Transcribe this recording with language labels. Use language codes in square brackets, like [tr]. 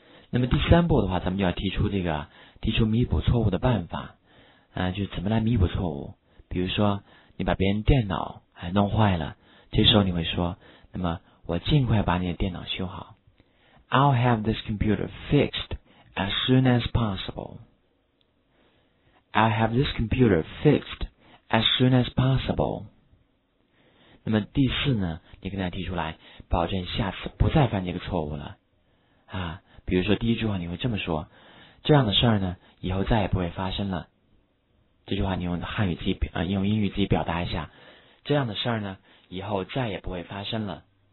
[zh] 那么第三步的话，咱们就要提出弥补错误的办法，就是怎么来弥补错误。比如说你把别人电脑弄坏了，这时候你会说，那么我尽快把你的电脑修好。 [en] I'll have this computer fixed as soon as possible. I'll have this computer fixed as soon as possible. [zh] 那么第四呢，你跟大家提出来保证下次不再犯这个错误了。比如说第一句话你会这么说，这样的事儿呢以后再也不会发生了。这句话你用汉语自己用英语自己表达一下，这样的事儿呢以后再也不会发生了。